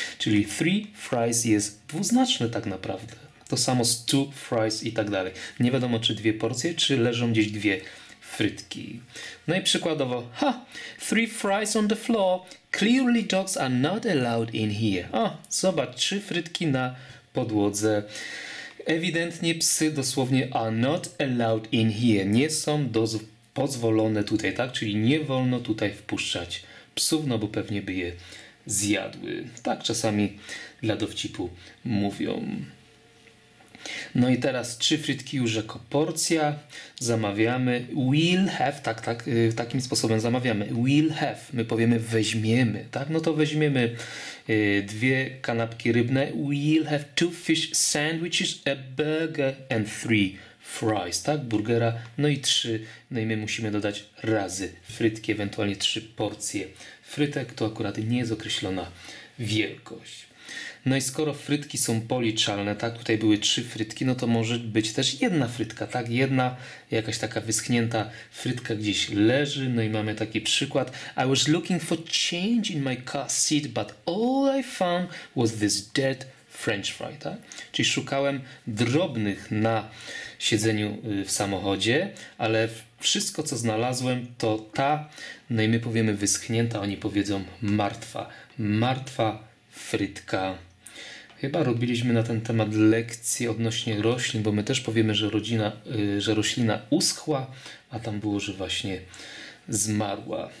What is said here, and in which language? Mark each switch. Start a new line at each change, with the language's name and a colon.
Polish: Czyli
English: three fries
Polish: jest dwuznaczne tak naprawdę. To samo z
English: two fries
Polish: i tak dalej. Nie wiadomo, czy dwie porcje, czy leżą gdzieś dwie frytki. No i przykładowo, ha,
English: three fries on the floor, clearly dogs are not allowed in here.
Polish: O, zobacz, trzy frytki na podłodze. Ewidentnie psy dosłownie
English: are not allowed in here.
Polish: Nie są pozwolone tutaj, tak? Czyli nie wolno tutaj wpuszczać psów, no bo pewnie by je zjadły. Tak czasami dla dowcipu mówią. No i teraz trzy frytki już jako porcja. Zamawiamy.
English: We'll have,
Polish: tak, takim sposobem zamawiamy. We'll have, my powiemy weźmiemy, tak? No to weźmiemy dwie kanapki rybne.
English: We'll have two fish sandwiches, a burger and three fries, tak?
Polish: Burgera, no i trzy, no i my musimy dodać razy frytki, ewentualnie trzy porcje frytek, to akurat nie jest określona wielkość. No i skoro frytki są policzalne, tak, tutaj były trzy frytki, no to może być też jedna frytka, tak, jedna jakaś taka wyschnięta frytka gdzieś leży, no i mamy taki przykład.
English: I was looking for change in my car seat, but all I found was this dead french fry, tak?
Polish: Czyli szukałem drobnych na siedzeniu w samochodzie, ale wszystko co znalazłem to ta, no i my powiemy wyschnięta, oni powiedzą martwa, martwa frytka. Chyba robiliśmy na ten temat lekcję odnośnie roślin, bo my też powiemy, że roślina uschła, a tam było, że właśnie zmarła.